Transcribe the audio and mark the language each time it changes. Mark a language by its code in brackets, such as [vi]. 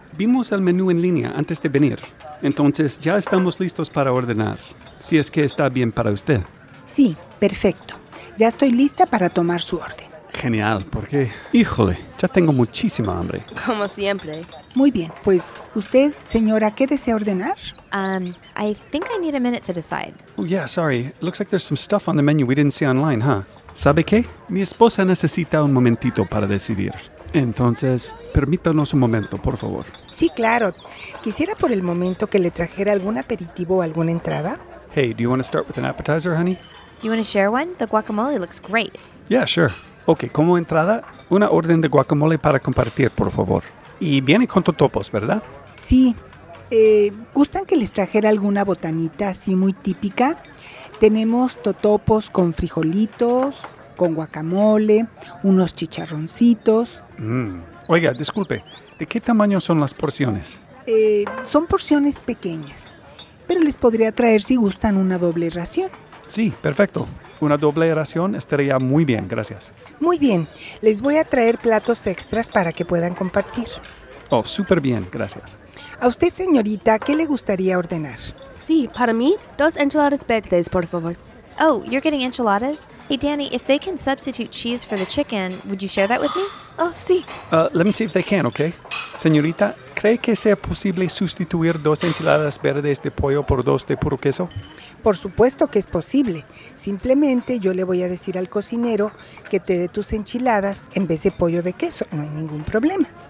[es] Vimos el menú en línea antes de venir. Entonces, ya estamos listos para ordenar, si es que está bien para usted. Sí, perfecto. Ya estoy lista para tomar su orden. Genial, porque, híjole, ya tengo muchísima hambre. Como siempre. Muy bien, pues, ¿usted, señora, qué desea ordenar? [en] I think I need a minute to decide. Oh, yeah, sorry. Looks like there's some stuff on the menu we didn't see online, huh? [es] ¿Sabe qué? Mi esposa necesita un momentito para decidir. Entonces, permítanos un momento, por favor. Sí, claro. ¿Quisiera por el momento que le trajera algún aperitivo o alguna entrada? [en] Hey, do you want to start with an appetizer, honey? Do you want to share one? The guacamole looks great. Yeah, sure. [es] Okay, como entrada, una orden de guacamole para compartir, por favor. Y viene con totopos, ¿verdad? Sí. ¿Gustan que les trajera alguna botanita así muy típica? Tenemos totopos con frijolitos, con guacamole, unos chicharroncitos. Mm. Oiga, disculpe, ¿de qué tamaño son las porciones? Son porciones pequeñas, pero les podría traer si gustan una doble ración. Sí, perfecto. Una doble ración estaría muy bien, gracias. Muy bien, les voy a traer platos extras para que puedan compartir. Oh, súper bien, gracias. A usted, señorita, ¿qué le gustaría ordenar? Sí, para mí, dos enchiladas verdes, por favor. [en] Oh, you're getting enchiladas? Hey, Danny, if they can substitute cheese for the chicken, would you share that with me? [es] Oh, sí. [en] Let me see if they can, okay? [es] Señorita, ¿cree que sea posible sustituir dos enchiladas verdes de pollo por dos de puro queso? Por supuesto que es posible. Simplemente yo le voy a decir al cocinero que te dé tus enchiladas en vez de pollo de queso. No hay ningún problema.